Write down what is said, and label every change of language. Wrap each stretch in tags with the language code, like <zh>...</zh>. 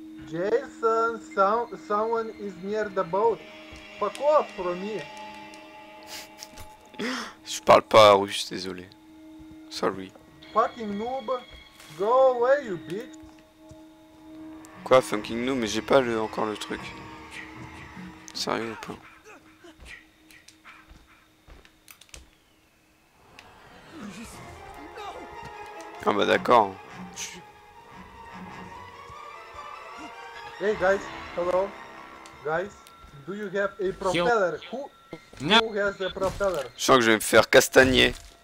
<en>Jason, someone is near the boat. Fuck off from me.</en> <fr>Je parle pas russe, désolé.</fr> <en>Sorry. Fucking noob, go away, you bitch. Quoi, fucking noob?</en> <fr>Mais j'ai pas le, encore le truc. Sérieux ou pas? Ah bah d'accord.</fr> <en>Hey guys, hello. Guys, do you have a propeller?</en> <fr>Je sens que je vais me faire castagner.</fr>